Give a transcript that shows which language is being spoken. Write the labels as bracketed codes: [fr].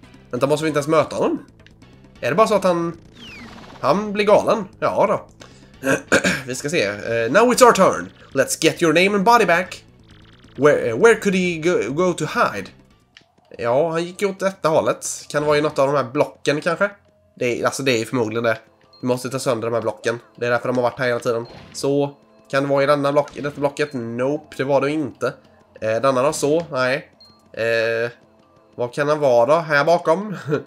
[sv] Vänta, måste vi inte ens möta honom? Är det bara så att han blir galen? Ja då. Vi ska se. [en] Now it's our turn. Let's get your name and body back. Where could he go to hide? [sv] Ja, han gick åt detta hållet. Kan vara i något av de här blocken kanske. Det är ju förmodligen det. Vi måste ta sönder de här blocken. Det är därför de har varit här hela tiden. Så, Kan det vara i denna block, i detta blocket? Nope, det var det inte. Denna då, så? Nej. Vad kan den vara då? Här bakom?